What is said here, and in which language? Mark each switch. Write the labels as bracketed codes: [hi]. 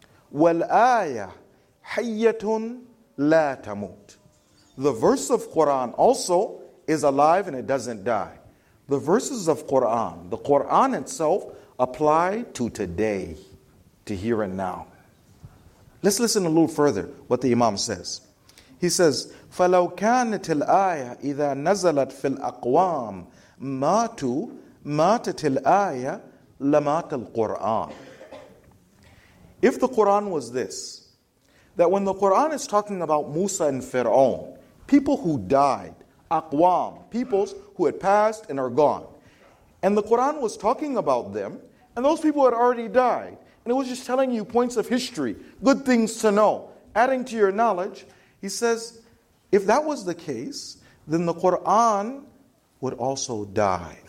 [ar] Wal ayah hayyatun la tamut. [en] The verse of Quran also is alive and it doesn't die. The verses of Quran, the Quran itself, apply to today, to here and now. Let's listen a little further what the Imam says. He says, [ar] فَلَوْ كَانَتِ الْآيَةِ إِذَا نَزَلَتْ فِي الْأَقْوَامِ مَاتُوا مَاتَتِ الْآيَةِ لَمَاتَ الْقُرْآنِ. [en] If the Quran was this, that when the Quran is talking about Musa and Fir'aun, people who died, aqwam, peoples who had passed and are gone, and the Quran was talking about them, and those people had already died, and it was just telling you points of history, good things to know, adding to your knowledge, he says, if that was the case, then the Quran would also die.